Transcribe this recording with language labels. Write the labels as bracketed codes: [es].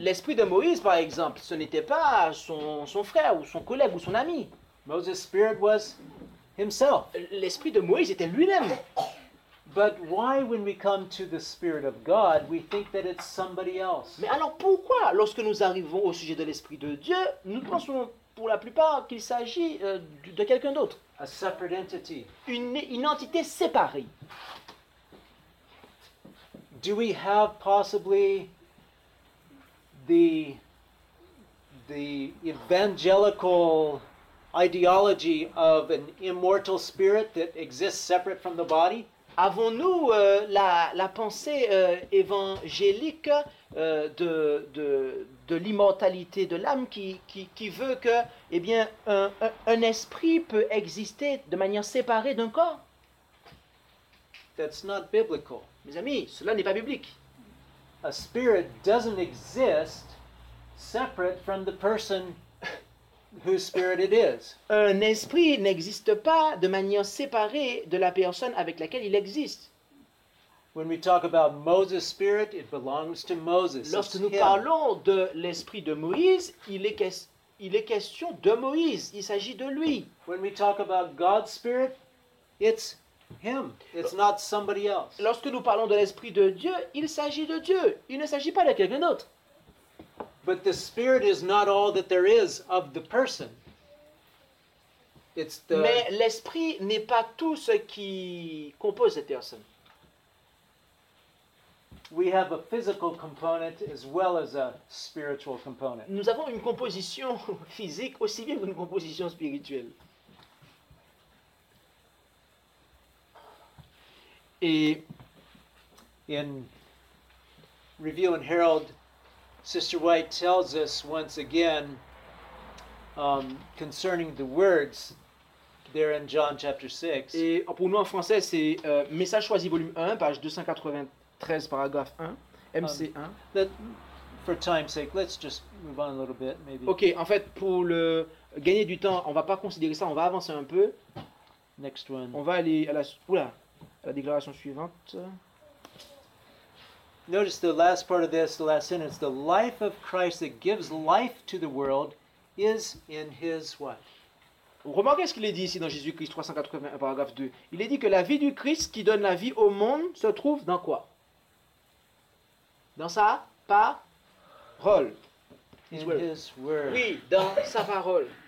[fr] L'esprit de Moïse, par exemple, ce n'était pas son frère ou son collègue ou son ami. [en] Moses' spirit was himself. [fr] L'esprit de Moïse était lui-même. [en] But why, when we come to the Spirit of God, we think that it's somebody else? [fr] Mais alors pourquoi, lorsque nous arrivons au sujet de l'Esprit de Dieu, nous pensons pour la plupart qu'il s'agit de quelqu'un d'autre. [en] A separate entity. [fr] Une entité séparée. [en] Do we have possibly the evangelical ideology of an immortal spirit that exists separate from the body? [fr] Avons-nous la pensée évangélique de l'immortalité de l'âme qui veut que eh bien un esprit peut exister de manière séparée d'un corps? [en] That's not biblical. [fr] Mes amis, cela n'est pas biblique. [en] A spirit doesn't exist separate from the person whose spirit it is. [fr] Un esprit n'existe pas de manière séparée de la personne avec laquelle il existe. [en] When we talk about Moses' spirit, it belongs to Moses. [fr] Lorsque nous parlons de l'esprit de Moïse, il est question de Moïse. Il s'agit de lui. [en] When we talk about God's spirit, it's him. It's not somebody else. [fr] Lorsque nous parlons de l'esprit de Dieu, il s'agit de Dieu. Il ne s'agit pas de quelqu'un d'autre. [en] But the spirit is not all that there is of the person. [fr] Mais l'esprit n'est pas tout ce qui compose cette personne. [en] We have a physical component as well as a spiritual component. [fr] Nous avons une composition physique aussi bien qu'une composition spirituelle. [en] Et in Review and Herald, Sister White tells us once again concerning the words there in John chapter 6. [fr] Et pour nous en français, c'est Message choisi volume 1, page 293, paragraphe 1, MC 1. [en] For time's sake, let's just move on a little bit, maybe. [fr] Ok, en fait, pour le gagner du temps, on va pas considérer ça, on va avancer un peu. [en] Next one. [fr] On va aller à la déclaration suivante. [en] Notice the last part of this, the last sentence. The life of Christ that gives life to the world is in his what? [fr] Remarquez ce qu'il est dit ici dans Jésus-Christ 381, paragraphe 2. Il est dit que la vie du Christ qui donne la vie au monde se trouve dans quoi? Dans sa parole. [en] His word. His word. [fr] Oui, dans sa parole.